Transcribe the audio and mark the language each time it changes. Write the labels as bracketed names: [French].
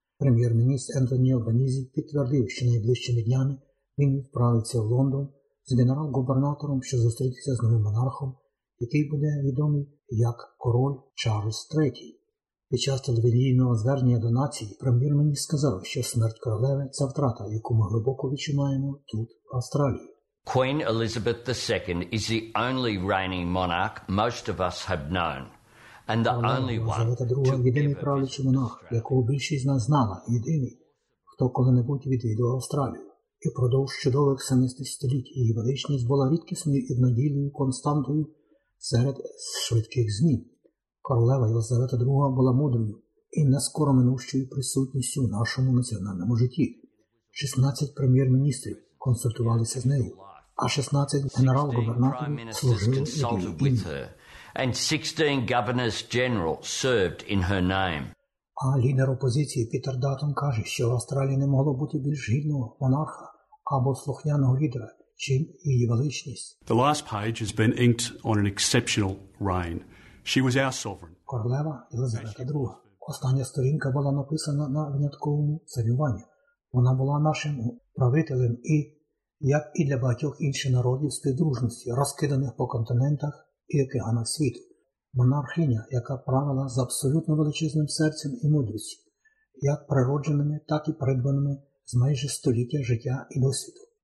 [Ukrainian] Прем'єр-міністр Ентоні Албанізі підтвердив, що найближчими днями він відправиться в Лондон з генерал-губернатором, щоб зустрітися з новим монархом, який буде відомий як король Чарльз III. Під час телевізійного звернення до нації прем'єр-міністр сказав, що смерть королеви – це втрата, яку ми глибоко відчуваємо тут, в Австралії. [English] Queen Elizabeth II is the only reigning monarch most of us have known, and the only one. [Ukrainian] Єлизавета II – єдиний правлячий монарх, якого більшість з нас знала, єдиний, хто коли-небудь відвідував Австралію. І впродовж чудових 70 років її величність була рідкісною і однодійною константою серед швидких змін. Королева Єлизавета II була мудрою і наскоро минущою присутністю в нашому національному житті. 16 прем'єр-міністрів консультувалися з нею, а 16 генерал-губернаторів служили в її ім'я. [English] And 16 governors-general served in her name. [Ukrainian] А лідер опозиції Пітер Датон каже, що в Австралії не могло бути більш гідного монарха або слухняного лідера, чим її величність. [English] The last page has been inked on an exceptional reign. She was our sovereign. [Ukrainian] Королева Єлизавета II. Остання сторінка була написана на винятковому царюванні. Вона була нашим правителем і, як і для багатьох інших народів, співдружності, розкиданих по континентах і океанах світу. Монархиня, яка правила з абсолютно величезним серцем і мудрістю, як природженими, так і придбаними з майже століття життя і досвіду.